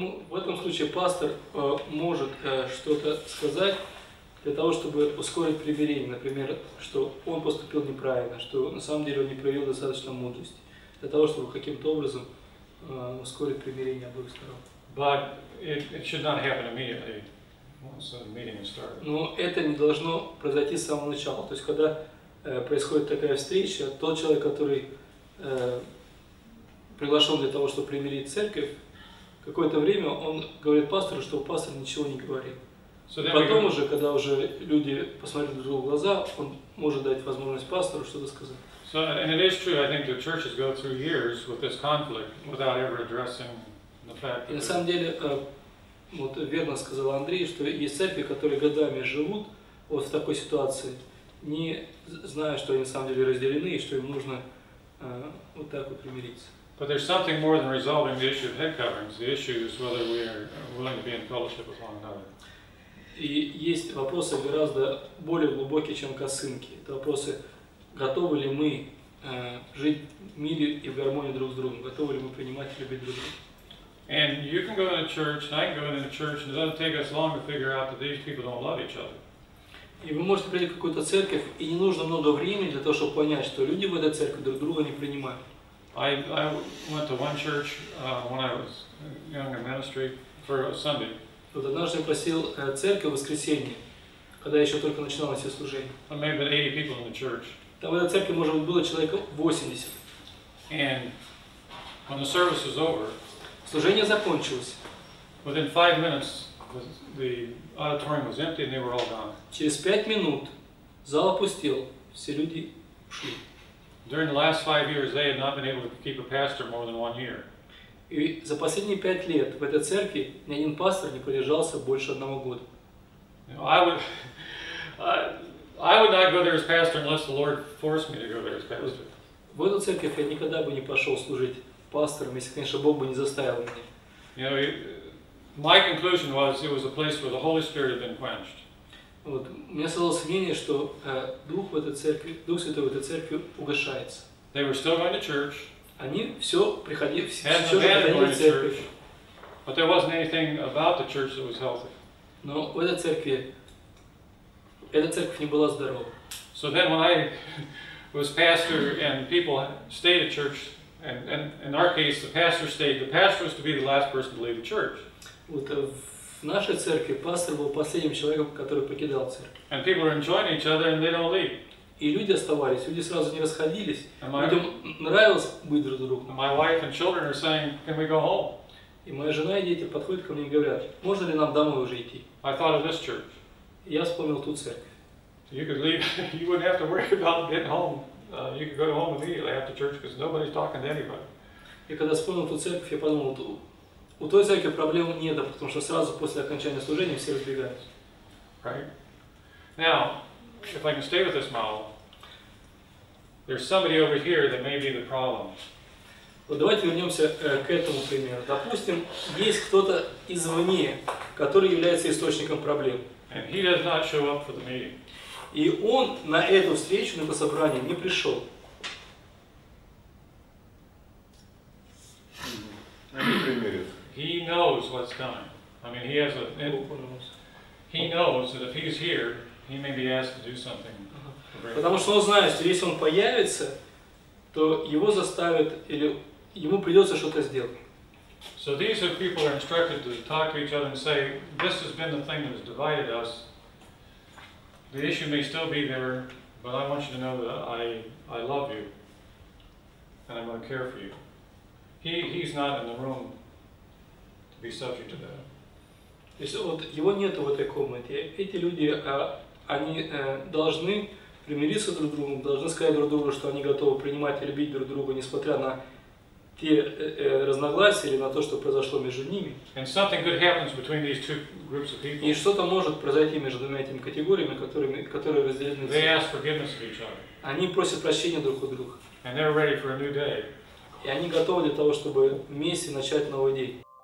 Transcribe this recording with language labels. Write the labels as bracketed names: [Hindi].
[Russian] В этом случае пастор может что-то сказать для того, чтобы ускорить примирение. Например, что он поступил неправильно, что на самом деле он не проявил достаточно мудрости для того, чтобы каким-то образом ускорить примирение обоих сторон. [English] But it should not happen immediately once the meeting is started. [Russian] Но это не должно произойти с самого начала. То есть, когда происходит такая встреча, тот человек, который приглашен для того, чтобы примирить церковь, какое-то время он говорит пастору, что пастор ничего не говорил. [English] So [Russian] потом уже, когда уже люди посмотрели друг другу в глаза, он может дать возможность пастору что-то сказать. [English] So, and it is true, I think the churches go through years with this conflict without ever addressing the fact that... [Russian] И на самом деле, вот верно сказал Андрей, что есть церкви, которые годами живут вот в такой ситуации, не зная, что они на самом деле разделены и что им нужно вот так вот примириться. [English] But there's something more than resolving the issue of head coverings. The issue is whether we are willing to be in fellowship with one another. [Russian] И есть вопросы гораздо более глубокие, чем косынки. Это вопросы, готовы ли мы жить в мире и в гармонии друг с другом, готовы ли мы принимать и любить друг друга. [English] And you can go to church, and I can go to church, and it doesn't take us long to figure out that these people don't love each other. [Russian] И вы можете прийти в какую-то церковь, и не нужно много времени для того, чтобы понять, что люди в этой церкви друг друга не принимают. [English] I went to one church when I was young in ministry for a Sunday. [Russian] Вот однажды я посетил церковь в воскресенье, когда я еще только начинал все служение. [English] There may have been 80 people in the church. [Russian] Там в этой церкви, может быть, было человек 80. [English] And when the service was over, [Russian] служение закончилось. [English] Within 5 minutes, the auditorium was empty and they were all gone. [Russian] Через 5 минут зал опустел, все люди ушли. [English] During the last 5 years, they had not been able to keep a pastor more than 1 year. [Russian] И за последние 5 лет в этой церкви ни один пастор не продержался больше 1 года. [English] You know, I would not go there as pastor unless the Lord forced me to go there as pastor. [Russian] В эту церковь я никогда бы не пошел служить пастором, если, конечно, Бог бы не заставил меня. [English] You know, my conclusion was it was a place where the Holy Spirit had been quenched. [Russian] Вот. У меня создалось мнение, что Дух в этой церкви, Дух Святой в этой церкви угашается. [English] They were still going to church. [Russian] Они все приходили, все же приходили в церковь. [English] But there wasn't anything about the church that was healthy. [Russian] Но в этой церкви, эта церковь не была здорова. [English] So then when I was pastor and people stayed at church, and in our case the pastor stayed, the pastor was to be the last person to leave the church. [Russian] Вот, в нашей церкви пастор был последним человеком, который покидал церковь. [English] And people are enjoying each other and they don't leave. [Russian] И люди оставались, люди сразу не расходились. Людям нравилось быть друг с другом. [English] My wife and children are saying, can we go home? [Russian] И моя жена и дети подходят ко мне и говорят, можно ли нам домой уже идти? [English] I thought of this church. [Russian] Я вспомнил ту церковь. [English] You could leave, you wouldn't have to worry about getting home. You could go to home immediately after church because nobody's talking to anybody. [Russian] И когда вспомнил ту церковь, я подумал, у той церкви проблем нет, потому что сразу после окончания служения все разбегают. [English] Right. Now, if I can stay with this model, there's somebody over here that may be the problem. [Russian] Вот давайте вернемся к этому примеру. Допустим, есть кто-то извне, который является источником проблем. [English] And he does not show up for the meeting. [Russian] И он на эту встречу, на это собрание не пришел. [English] He knows what's coming. I mean, he knows that if he's here, he may be asked to do something [Russian] Потому что он знает, что если он появится, то его заставят или ему придется что-то сделать. [English] So these are people who are instructed to talk to each other and say, this has been the thing that has divided us. The issue may still be there, but I want you to know that I love you and I'm going to care for you. He's not in the room to be subject to that. [Russian] Вот его нету в этой комнате. Эти люди, они должны примириться друг с другом, должны сказать друг другу, что они готовы принимать и любить друг друга, несмотря на те разногласия или на то, что произошло между ними. [English] And something good happens between these two groups of people. [Russian] И что-то может произойти между двумя этими категориями, которые разделены. [English] They ask forgiveness of each other. [Russian] Они просят прощения друг у друга. [English] And they're ready for a new day. [Russian] И они готовы для того, чтобы вместе начать новый день.